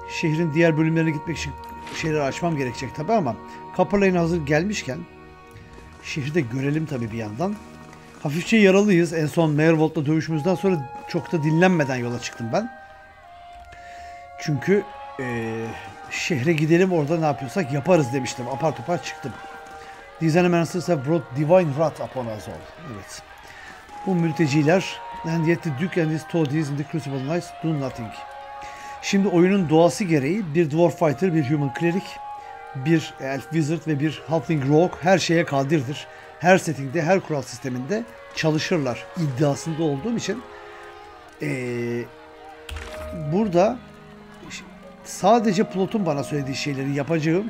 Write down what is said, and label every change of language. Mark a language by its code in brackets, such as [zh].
[tr] Şehrin diğer bölümlerine gitmek için şeyleri açmam gerekecek tabii ama Copper Lane hazır gelmişken şehri de görelim tabii bir yandan. Hafifçe yaralıyız. En son Merevolt'la dövüşümüzden sonra çok da dinlenmeden yola çıktım ben. Çünkü şehre gidelim orada ne yapıyorsak yaparız demiştim. Apar topar çıktım. [en] These animancers have brought divine wrath upon us all. [tr] Evet. Bu mülteciler [en] and yet the Duke and his toadies in the Crucible Knights do nothing. [tr] Şimdi oyunun doğası gereği bir Dwarf Fighter, bir Human Cleric, bir Elf Wizard ve bir Halfling Rogue her şeye kadirdir. Her settingde, her kural sisteminde çalışırlar iddiasında olduğum için. Burada sadece plotun bana söylediği şeyleri yapacağım.